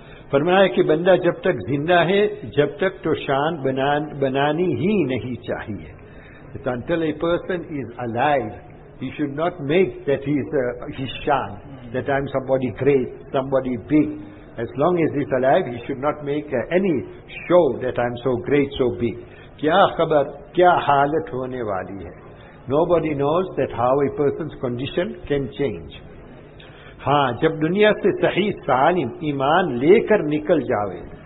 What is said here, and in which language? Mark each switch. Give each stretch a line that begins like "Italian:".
Urdu: فرمایا کہ بندہ جب تک زندہ ہے جب تک تو شان بنانی ہی نہیں چاہیے.
English: Until a person is alive, he should not make that his shan, that I'm somebody great, somebody big. As long as he's alive, he should not make any show that I'm so great, so big.
Urdu: کیا خبر کیا حالت ہونے والی ہے.
English: Nobody knows that how a person's condition can change.
Urdu: ہاں جب دنیا سے صحیح سالم ایمان لے کر نکل جاوے.